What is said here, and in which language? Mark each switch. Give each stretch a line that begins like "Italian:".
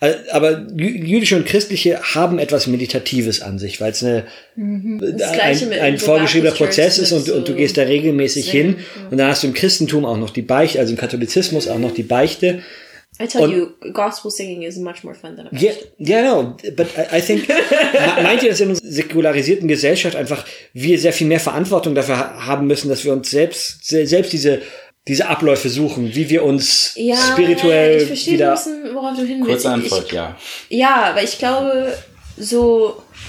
German: Aber jüdische und christliche haben etwas Meditatives an sich, weil es ein vorgeschriebener Prozess ist und du gehst da regelmäßig hin. Und dann hast du im Christentum auch noch die Beichte, also im Katholizismus auch noch die Beichte.
English: I tell you, gospel singing is much more fun than a
German: Beichte.
English: Yeah, no, but I think,
German: meint ihr, dass in unserer säkularisierten Gesellschaft einfach wir sehr viel mehr Verantwortung dafür haben müssen, dass wir uns selbst diese Abläufe suchen, wie wir uns spirituell wieder... Ja, ich verstehe ein bisschen, worauf du hin willst. Kurze Antwort, ja. Ja, weil ich glaube, so...